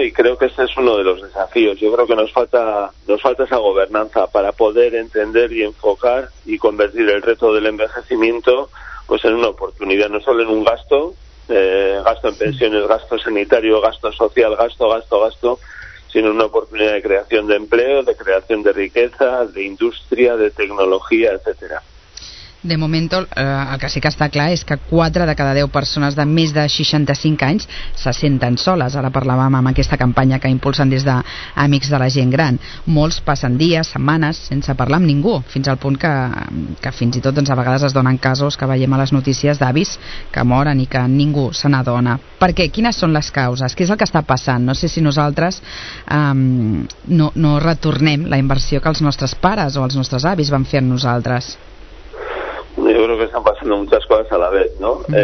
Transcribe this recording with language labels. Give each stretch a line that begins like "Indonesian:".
Spanish: Y creo que ese es uno de los desafíos. Yo creo que nos falta esa gobernanza para poder entender y enfocar y convertir el reto del envejecimiento pues en una oportunidad, no solo en un gasto. Gasto en pensiones, gasto sanitario, gasto social, gasto, sino una oportunidad de creación de empleo, de creación de riqueza, de industria, de tecnología, etcétera.
Catalan: De momento, el que sí que està clar és que 4 de cada 10 persones de més de 65 anys se senten soles. Ara parlàvem amb aquesta campanya que impulsen des d'Amics de la Gent Gran. Molts passen dies, setmanes, sense parlar amb ningú, fins al punt que fins i tot, doncs, a vegades es donen casos que veiem a les notícies d'avis que moren i que ningú se n'adona. Per què? Quines són les causes? Què és el que està passant? No sé si nosaltres no retornem la inversió que els nostres pares o els nostres avis van fer en nosaltres.
Spanish: Yo creo que están pasando muchas cosas a la vez, ¿no?